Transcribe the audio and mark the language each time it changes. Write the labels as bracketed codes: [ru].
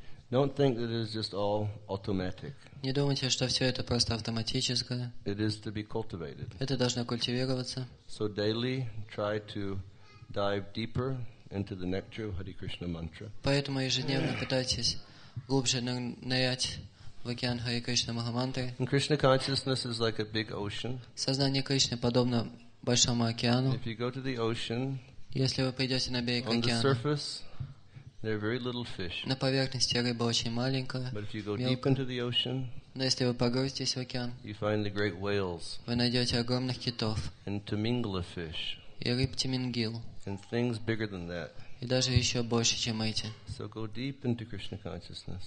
[en] Don't think that it is just all automatic. [ru] Не думайте, что все это просто автоматическое. [en] It is to be cultivated. [ru] Это должно культивироваться. [en] So daily try to dive deeper into the nectar of Hare Krishna Mantra. [ru] Поэтому ежедневно пытайтесь глубже нырять в океан Хари Кришна Махамантры. [en] And Krishna consciousness is like a big ocean. [ru] Сознание Кришны подобно большому океану. [en] If you go to the ocean, [ru] если вы придете на берег океана, [en] on the surface, there are very little fish. [ru] На поверхности рыба очень маленькая. [en] But if you go deep into the ocean, [ru] но если вы погрузитесь в океан, [en] you find the great whales, [ru] вы найдете огромных китов, [en] and tamingala fish, [ru] и рыб тамингил, [en] and things bigger than that. [ru] И даже еще больше, чем эти. [en] So go deep into Krishna consciousness,